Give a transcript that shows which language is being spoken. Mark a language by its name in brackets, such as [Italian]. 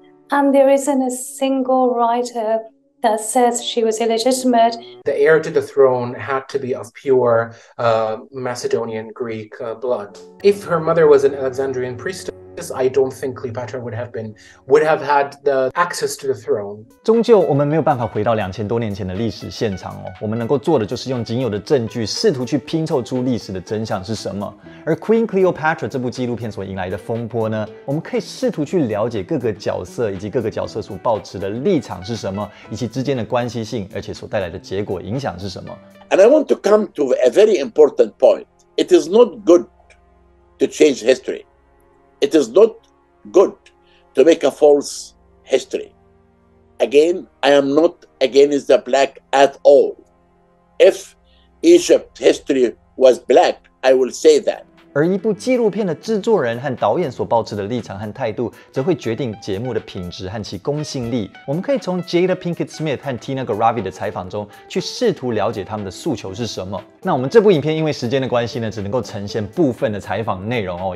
[English] And there isn't a single writerthat says she was illegitimate. The heir to the throne had to be of pure Macedonian Greek blood. If her mother was an Alexandrian priestess, I don't think Cleopatra would have had the access to the throne. [Chinese] 终究我们没有办法回到2000多年前的历史现场哦。我们能够做的就是用仅有的证据试图去拼凑出历史的真相是什么。而 Queen Cleopatra 这部纪录片所迎来的风波呢，我们可以试图去了解各个角色以及各个角色所抱持的立场是什么，以及之间的关系性，而且所带来的结果影响是什么。 [English] And I want to come to a very important point. It is not good to change history. It is not good to make a false history. Again, I am not against the black at all. If Egypt's history was black, I will say that. [Chinese] 而一部纪录片的制作人和导演所抱持的立场和态度，则会决定节目的品质和其公信力。我们可以从 Jada Pinkett Smith 和 Tina Garavi 的采访中，去试图了解他们的诉求是什么。那我们这部影片因为时间的关系呢，只能够呈现部分的采访内容哦。